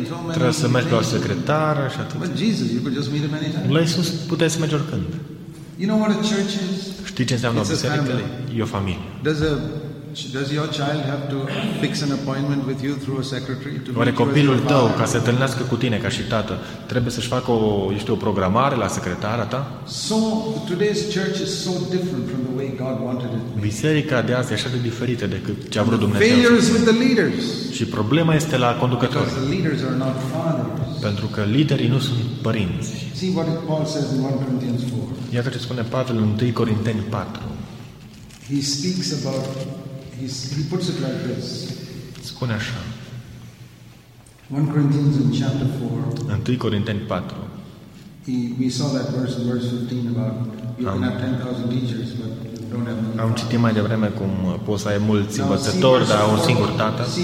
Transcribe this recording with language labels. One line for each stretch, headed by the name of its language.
Romanian: Trebuie să mergi la un secretar și atât. La Isus puteai să mergi oricând.
English: You know what a church is?
Romanian: Știi ce înseamnă o biserică? E o familie.
English: Does your child have to fix an appointment with you through a secretary to meet
Romanian: copilul tău ca să întâlnească cu tine ca și tată, trebuie să-și facă o programare la secretara ta?
English: So today's church is so different from the way God wanted it.
Romanian: Biserica de azi e așa de diferită decât ce a vrut Dumnezeu.
English: Failures with the leaders.
Romanian: Și problema este la conducători.
English: Because the leaders are not fathers.
Romanian: Pentru că liderii nu sunt părinți.
English: See what Paul says in 1 Corinthians 4.
Romanian: Iată ce spune Pavel în 1 Corinteni 4.
English: He speaks about he puts it like this.
Romanian: Spune așa.
English: 1 Corinthians in chapter 4.
Romanian: 1 Corinteni 4.
English: We saw that verse in verse 15 about you can have 10,000 teachers but you don't have any.
Romanian: Am citit mai devreme cum poți să ai mulți învățători, dar un singur tată.